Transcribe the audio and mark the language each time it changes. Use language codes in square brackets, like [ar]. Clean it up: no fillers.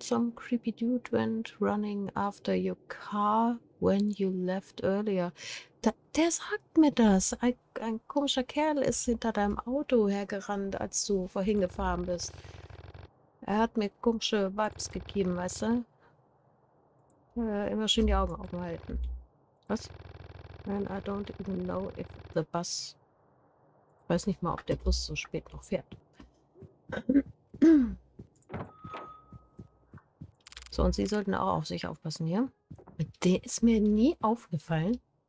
[en] Some creepy dude went running after your car when you left earlier. [de] Der sagt mir das. Ein komischer Kerl ist hinter deinem Auto hergerannt, als du vorhin gefahren bist. Er hat mir komische Vibes gegeben, weißt du? Immer schön die Augen offen halten. Was? [en] And I don't even know if the bus... [de] Ich weiß nicht mal, ob der Bus so spät noch fährt. So, und sie sollten auch auf sich aufpassen hier. Der ist mir nie aufgefallen.